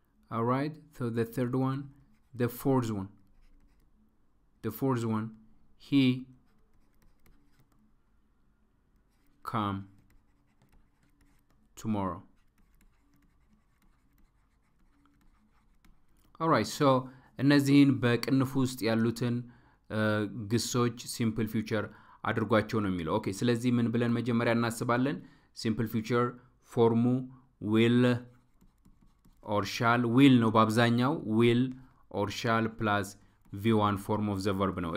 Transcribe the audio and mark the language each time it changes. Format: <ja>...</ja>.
<en>All right, so the third one, the fourth one, he comes tomorrow.</en> <am>All right, so እነዚህን በቅንፍ ውስጥ ያሉትን ግሶች ሲምፕል ፊውቸር አድርጓቸው ነው የሚለው. ኦኬ, ስለዚህ ምን ብለን መጀመሪያ እናስባለን? ሲምፕል ፊውቸር ፎርሙ will or shall. will ነው በአብዛኛው, will or shall plus v1 form of the verb ነው.</am>